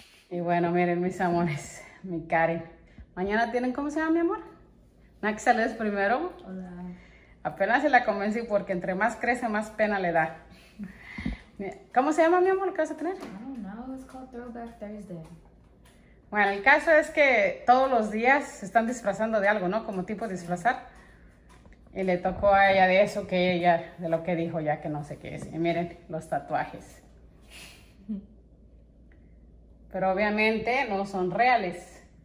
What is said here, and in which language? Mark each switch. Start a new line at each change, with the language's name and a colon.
Spanish: Y bueno, miren, mis amores, mi Karen. Mañana tienen, ¿cómo se llama, mi amor? ¿Nada que saludes primero? Hola. Apenas se la convencí porque entre más crece, más pena le da. ¿Cómo se llama, mi amor, qué vas a tener?
English: I don't know, it's called Throwback Thursday.
Spanish: Bueno, el caso es que todos los días se están disfrazando de algo, ¿no? Como tipo de disfrazar. Y le tocó a ella de eso, que ella, de lo que dijo ya, que no sé qué es. Y miren, los tatuajes. Pero obviamente no son reales.